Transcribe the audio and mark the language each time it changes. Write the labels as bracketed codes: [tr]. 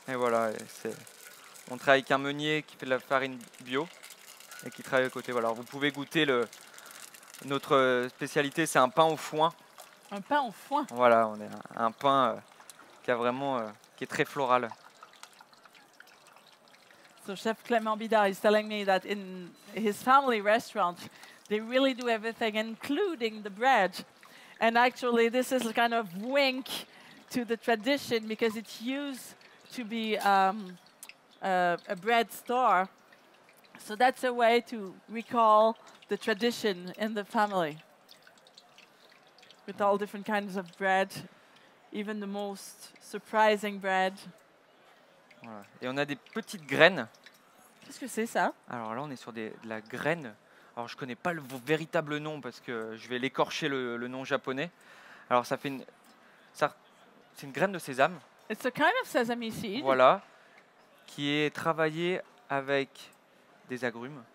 [fr] Et voilà, on travaille avec un meunier qui fait de la farine bio et qui travaille à côté. Voilà, vous pouvez goûter notre spécialité, c'est un pain au foin. Un pain au foin. Voilà, on est un pain qui a vraiment qui est très floral. [en] So Chef Clément Bidard is telling me that in his family restaurant, they really do everything, including the bread. And actually, this is a kind of wink to the tradition because it used to be a bread store. So that's a way to recall the tradition in the family with all different kinds of bread, even the most surprising bread. [fr] Et on a des petites graines. Qu'est-ce que c'est ça? Alors là, on est sur de la graine. Alors je ne connais pas le véritable nom parce que je vais l'écorcher le nom japonais. Alors ça fait c'est une graine de sésame. [en] It's a kind of sesame seed. [fr] Voilà. Qui est travaillée avec des agrumes.